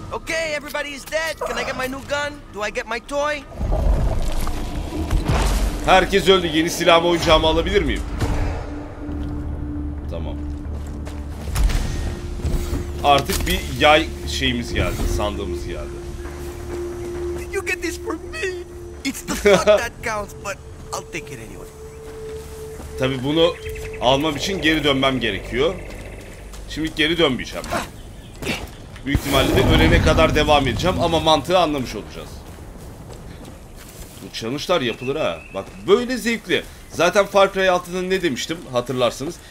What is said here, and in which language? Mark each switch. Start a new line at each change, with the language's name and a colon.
English: Okay, everybody is dead. Can I get my new gun? Do I get my toy?
Turkish: Herkes öldü. Yeni silahımı, oyuncağımı alabilir miyim? Tamam. Artık bir yay şeyimiz geldi, sandığımız geldi.
English: Did you get this for me? It's the fuck that counts, but I'll take it anyway.
Turkish: Tabii bunu almam için geri dönmem gerekiyor. Şimdi geri dönmeyeceğim. Büyük ihtimalle de ölene kadar devam edeceğim ama mantığı anlamış olacağız. Bu challenge'lar yapılır ha. Bak böyle zevkli. Zaten Far Cry 6'da ne demiştim hatırlarsınız.